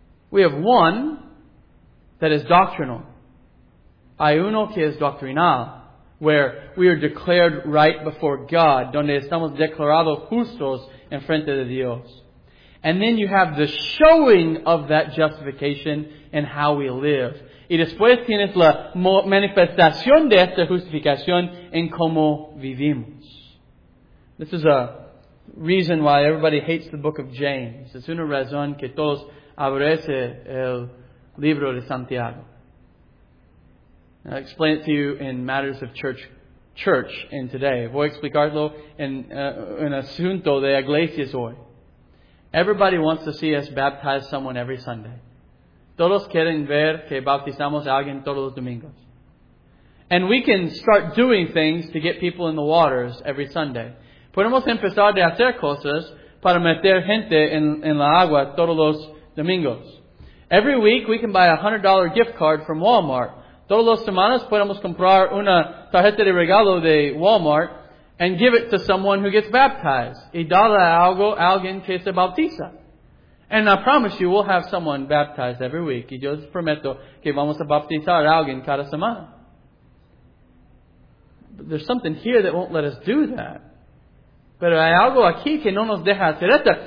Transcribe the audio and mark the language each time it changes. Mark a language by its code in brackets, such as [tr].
[en] We have one that is doctrinal. [es] Hay uno que es doctrinal, [en] where we are declared right before God, [es] donde estamos declarados justos en frente de Dios. [en] And then you have the showing of that justification in how we live. [es] Y después tienes la manifestación de esta justificación en cómo vivimos. [en] This is a reason why everybody hates the book of James. [es] Es una razón que todos aborrecen el libro de Santiago. [en] I'll explain it to you in matters of church in today. [es] Voy a explicarlo en asunto de iglesias hoy. [en] Everybody wants to see us baptize someone every Sunday. [es] Todos quieren ver que bautizamos a alguien todos los domingos. [en] And we can start doing things to get people in the waters every Sunday. [es] Podemos empezar de hacer cosas para meter gente en la agua todos los domingos. [en] Every week we can buy a $100 gift card from Walmart. [es] Todas las semanas podemos comprar una tarjeta de regalo de Walmart [en] and give it to someone who gets baptized. [es] Y darle algo a alguien que se bautiza. [en] And I promise you, we'll have someone baptized every week. [es] Y yo les prometo que vamos a bautizar a alguien cada semana. [en] But there's something here that won't let us do that. [es] Pero hay algo aquí que no nos deja hacer esto.